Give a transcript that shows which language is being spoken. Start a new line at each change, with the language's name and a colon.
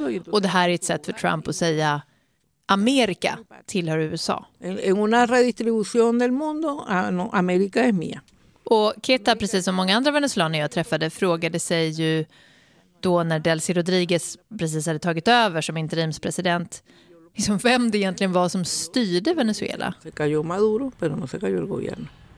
Swedish: Och det här är ett sätt för Trump att säga Amerika tillhör USA.
Spanish: En una redistribución del mundo, América es mía.
Swedish: Och Keta, precis som många andra venezuelaner jag träffade, frågade sig ju då när Delcy Rodriguez precis hade tagit över som interimspresident liksom vem det egentligen var som styrde Venezuela.
Spanish: Se cayó Maduro, pero no se cayó el gobierno.